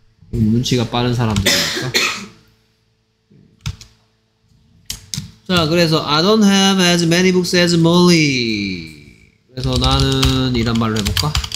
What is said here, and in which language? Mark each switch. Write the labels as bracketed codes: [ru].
[ko] 눈치가 빠른 사람들이니까. 자 그래서 [en] I don't have as many books as Molly. [ko] 그래서 나는 이런 말로 해볼까?